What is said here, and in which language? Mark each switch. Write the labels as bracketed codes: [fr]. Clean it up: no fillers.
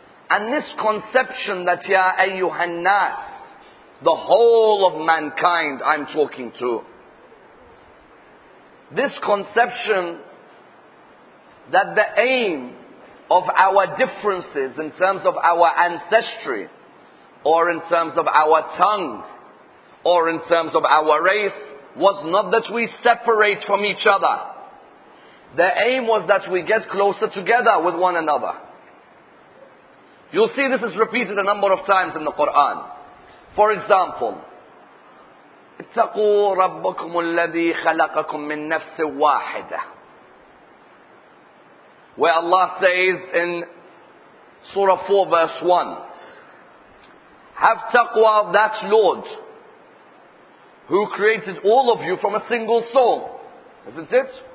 [en] And this conception that [ar] Ya ayyuhan nas, [en] the whole of mankind I'm talking to, this conception that the aim of our differences in terms of our ancestry, or in terms of our tongue, or in terms of our race, was not that we separate from each other. The aim was that we get closer together with one another. You'll see this is repeated a number of times in the Quran. [ar] For example, اتقوا ربكم الذي خلقكم من نفس واحدة. [en] Where Allah says in Surah 4 verse 1, have taqwa of that Lord who created all of you from a single soul. Isn't it?